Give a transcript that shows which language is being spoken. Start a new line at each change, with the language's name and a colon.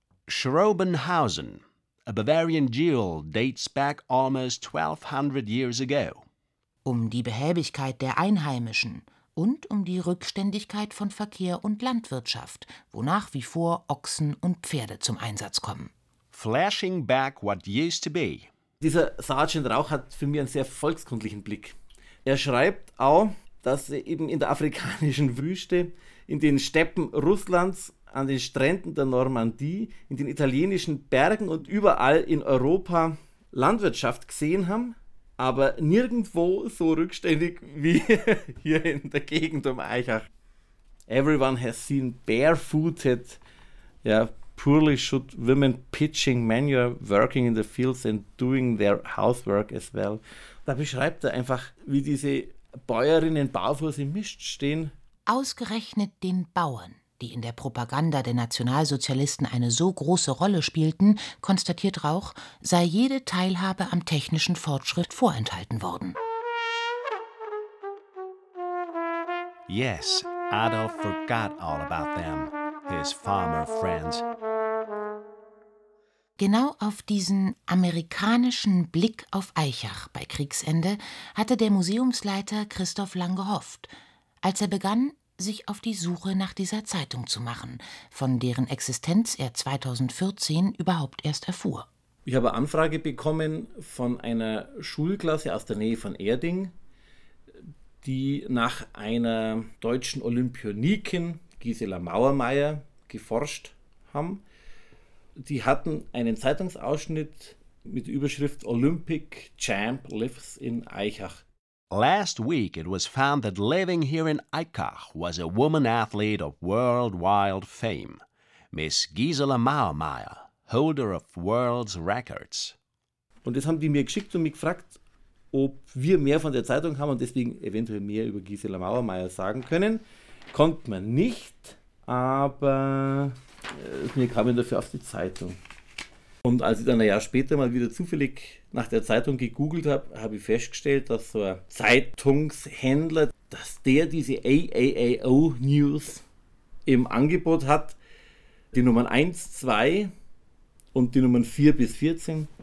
English: Schrobenhausen, a Bavarian jewel, dates back almost 1200 years ago.
German: Um die Behäbigkeit der Einheimischen und um die Rückständigkeit von Verkehr und Landwirtschaft, wo nach wie vor Ochsen und Pferde zum Einsatz kommen.
English: Flashing back what used to be.
German: Dieser Sergeant Rauch hat für mich einen sehr volkskundlichen Blick. Er schreibt auch, dass er eben in der afrikanischen Wüste, in den Steppen Russlands, an den Stränden der Normandie, in den italienischen Bergen und überall in Europa Landwirtschaft gesehen haben, aber nirgendwo so rückständig wie hier in der Gegend um Eichach.
English: Everyone has seen barefooted, ja, poorly should women pitching manure, working in the fields and doing their housework as well.
German: Da beschreibt er einfach, wie diese Bäuerinnen barfuß im Mist stehen. Ausgerechnet den Bauern, die in der Propaganda der Nationalsozialisten eine so große Rolle spielten, konstatiert Rauch, sei jede Teilhabe am technischen Fortschritt vorenthalten worden.
English: Yes, Adolf forgot all about them, his farmer friends.
German: Genau auf diesen amerikanischen Blick auf Eichach bei Kriegsende hatte der Museumsleiter Christoph Lang gehofft, als er begann, sich auf die Suche nach dieser Zeitung zu machen, von deren Existenz er 2014 überhaupt erst erfuhr. Ich habe eine Anfrage bekommen von einer Schulklasse aus der Nähe von Erding, die nach einer deutschen Olympionikin, Gisela Mauermeier, geforscht haben. Die hatten einen Zeitungsausschnitt mit Überschrift Olympic Champ Lives in Eichach.
English: Last week it was found that living here in Eichach was a woman athlete of worldwide fame, Miss Gisela Mauermeier, holder of world's records.
German: Und das haben die mir geschickt und mich gefragt, ob wir mehr von der Zeitung haben und deswegen eventuell mehr über Gisela Mauermeier sagen können. Konnte man nicht, aber mir kamen dafür auf die Zeitung. Und als ich dann ein Jahr später mal wieder zufällig nach der Zeitung gegoogelt habe, habe ich festgestellt, dass so ein Zeitungshändler, dass der diese AAAO News im Angebot hat, die Nummern 1, 2 und die Nummern 4 bis 14.